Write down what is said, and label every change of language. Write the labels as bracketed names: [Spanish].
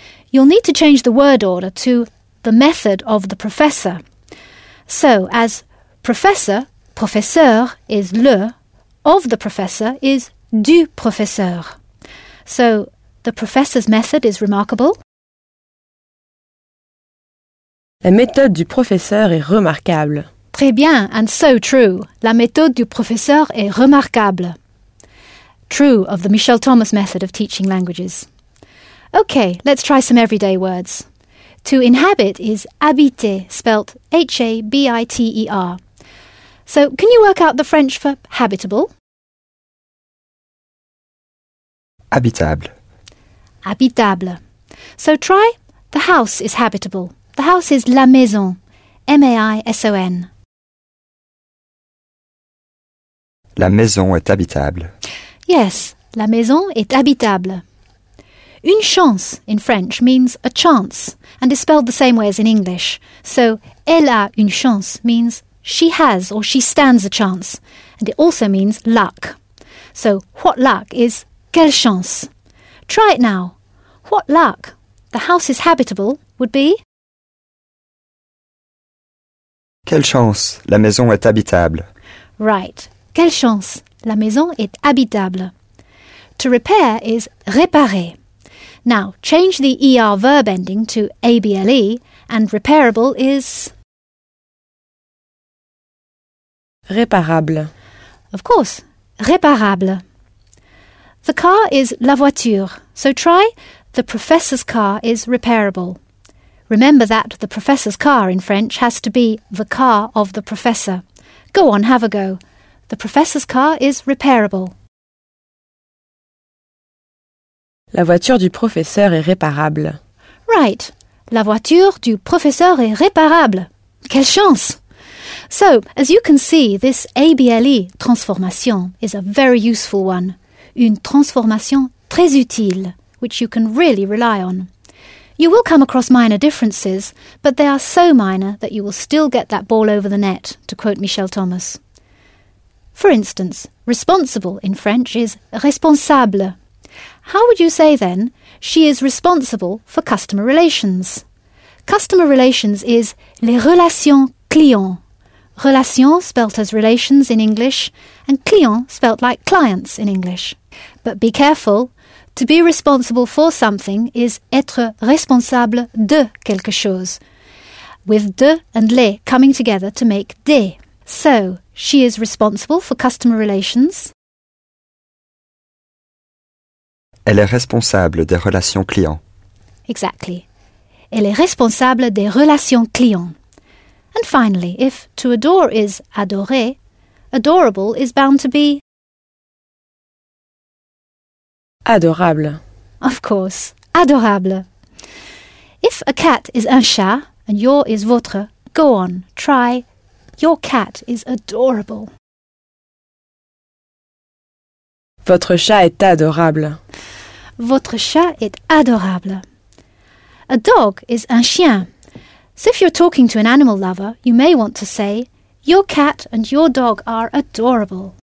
[English] You'll need to change the word order to the method of the professor. So as professor, professeur is le, of the professor is [French] du professeur. [English] So the professor's method is remarkable. [French] La méthode du professeur est remarquable. Très bien, [English] and so true. [French] La méthode du professeur est remarquable. [English] True of the Michel Thomas method of teaching languages. OK, let's try some everyday words. To inhabit is habiter, spelt H-A-B-I-T-E-R. So can you work out the French for habitable? [French] Habitable. Habitable. [English] So try, the house is habitable. The house is [French] la maison, [English] M-A-I-S-O-N. [French] La maison est habitable. Yes, la maison est habitable. [English] Une chance in French means a chance and is spelled the same way as in English. So, [French] elle a une chance [English] means she has or she stands a chance. And it also means luck. So, what luck is [French] quelle chance? [English] Try it now. What luck? The house is habitable would be? [French] Quelle chance? La maison est habitable. [English] Right. [French] Quelle chance, la maison est habitable. [English] To repair is réparer. Now, change the ER verb ending to A-B-L-E and repairable is... [French] Réparable. [English] Of course, réparable. The car is [French] la voiture. [English] So try, the professor's car is repairable. Remember that the professor's car in French has to be the car of the professor. Go on, have a go. The professor's car is repairable. [French] La voiture du professeur est réparable. [English] Right. [French] La voiture du professeur est réparable. Quelle chance! [English] So, as you can see, this ABLE, transformation, is a very useful one. [French] Une transformation très utile, [English] which you can really rely on. You will come across minor differences, but they are so minor that you will still get that ball over the net, to quote Michel Thomas. For instance, responsible in French is responsable. How would you say then, she is responsible for customer relations? Customer relations is [French] les relations clients. [English] Relations spelt as relations in English, and clients spelt like clients in English. But be careful. To be responsible for something is [French] être responsable de quelque chose, [English] with de and les coming together to make des. So, she is responsible for customer relations. [French] Elle est responsable des relations clients. [English] Exactly. [French] Elle est responsable des relations clients. [English] And finally, if to adore is adorer, adorable is bound to be [French] adorable. [English] Of course, adorable. If a cat is [French] un chat [English] and your is votre, go on, try. Your cat is adorable. [French] Votre chat est adorable. Votre chat est adorable. [English] A dog is [French] un chien. [English] So if you're talking to an animal lover, you may want to say, your cat and your dog are adorable.